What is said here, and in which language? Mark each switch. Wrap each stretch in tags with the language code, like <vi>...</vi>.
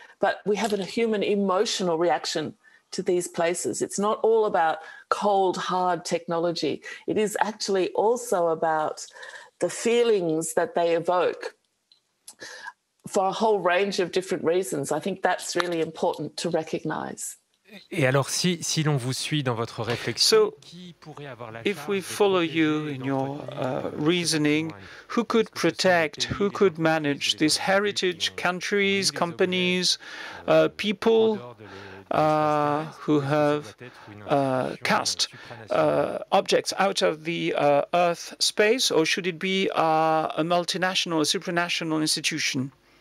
<en>But we have a human emotional reaction to these places. It's not all about cold, hard technology. It is actually also about the feelings that they evoke for a whole range of different reasons. I think that's really important to recognize.</en> <fr>Et alors, si l'on vous suit dans votre réflexion, qui pourrait avoir la</fr> <en>if we follow you in your reasoning, who could protect, who could manage these heritage countries, companies, people who have cast objects out of the Earth space, or should it be a multinational, a supranational institution?</en>